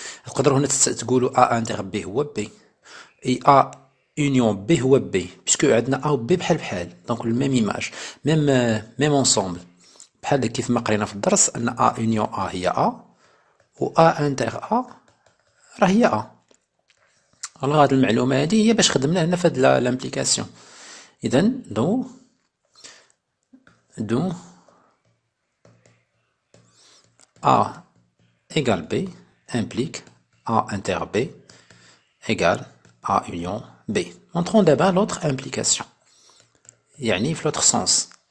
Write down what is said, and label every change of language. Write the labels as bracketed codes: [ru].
[ar] تقدر هنا تقولوا [fr] A inter B هو B et A union B هو B puisque [ar] عندنا A و B بحال بحال, [fr] donc le même image, même ensemble, [ar] بحال كيف ما قرينا في الدرس أن [fr] A union A هي A و A inter A [ar] راه هي [fr] A. [ar] الله, هذه المعلومة هذه هي باش خدمنا هنا في هاد لامبليكاسيون. [fr] إذن دو A égale B implique A inter B égale A union B. Montrons d'abord l'autre implication. Yani, l'autre sens.